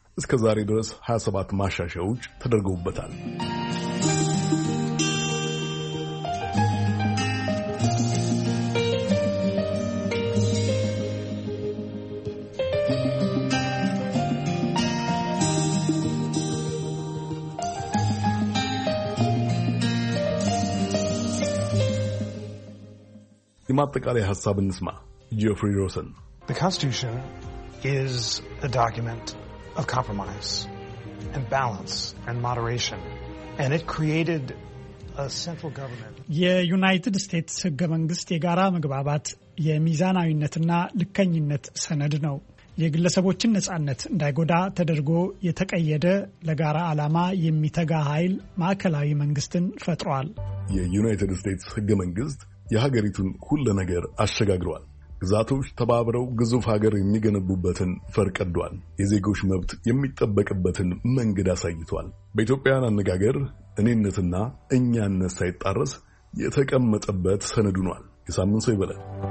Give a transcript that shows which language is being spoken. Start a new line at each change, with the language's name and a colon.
Amharic: እስከ ዛሬ ድረስ 27 ማሻሻያዎች ተደርገውበታል። ማጠቃለያ ሐሳብ እንስማ። ጆፍሪ ሮሰን
English: The Constitution is a document of compromise and balance and moderation and it created a central government.
Amharic: የዩናይትድ ስቴትስ ህገ መንግስት የጋራ መግባባት የሚዛናዊነትና ልከኝነት ሰነድ ነው። የግለሰቦችን ነጻነት እንዳይጎዳ ተደርጎ የተቀየደ ለጋራ ዓላማ የሚተጋ ኃይል ማዕከላዊ መንግስትን ፈጥሯል። የዩናይትድ ስቴትስ ህገ መንግስት የሀገሪቱን ሁሉ ነገር አሸጋግሯል። ግዛቶች ተባብረው ግዙፍ ሀገር የሚገነቡበትን ፈርቀዷል። የዜጎች መብት የሚጠበቅበትን መንገድ አሳይቷል። በኢትዮጵያውያን አነጋገር እኔነትና እኛነት ሳይጣረስ የተቀመጠበት ሰነድ ሆኗል። የሳምንት ሰው ይበለል።